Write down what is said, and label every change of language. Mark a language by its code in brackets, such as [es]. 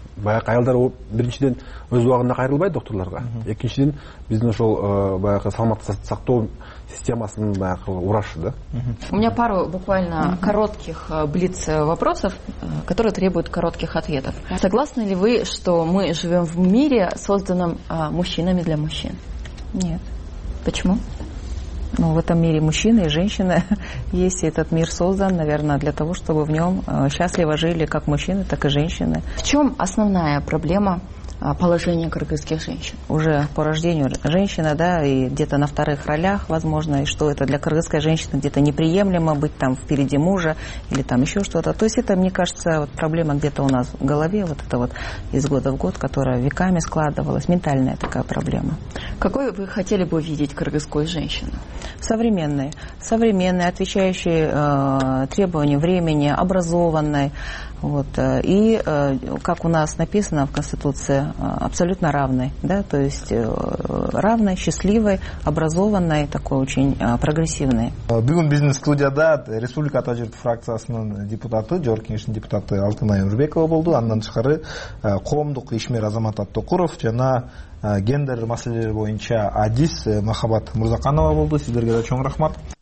[ky] Баягы аялдар биринчиден өз убагында кайрылбайт докторлорго. Экинчиден биздин ошол баягы саламаттык сактоо системасынын баягы урашы да. [ru] У меня пару буквально коротких блиц вопросов, которые требуют коротких ответов. Согласны ли вы, что мы живем в мире, созданном мужчинами для мужчин? Нет. Почему? Ну, в этом мире мужчины и женщины есть, и этот мир создан, наверное, для того, чтобы в нем счастливо жили как мужчины, так и женщины. В чем основная проблема положения кыргызских женщин? Уже по рождению женщина, да, и где-то на вторых ролях, возможно, и что это для кыргызской женщины где-то неприемлемо быть там впереди мужа или там еще что-то. То есть это, мне кажется, вот проблема где-то у нас в голове, вот это вот из года в год, которая веками складывалась, ментальная такая проблема. Какой вы хотели бы видеть кыргызскую женщину? Современной. Современной, отвечающей требованиям времени, образованной. Вот. И, как у нас написано в Конституции, абсолютно равной. Да? То есть равной, счастливой, образованной, такой очень прогрессивной. [ky] Бүгүн биздин студияда Республика Ата Журт фракциясынын депутаты, Жогорку Кеңештин депутаты Алтынай Өмүрбекова болду. Андан тышкары коомдук ишмер Азамат Аттокуров жана гендер маселелери боюнча адис Махабат Мурзаканова болду. Сиздерге да чоң рахмат.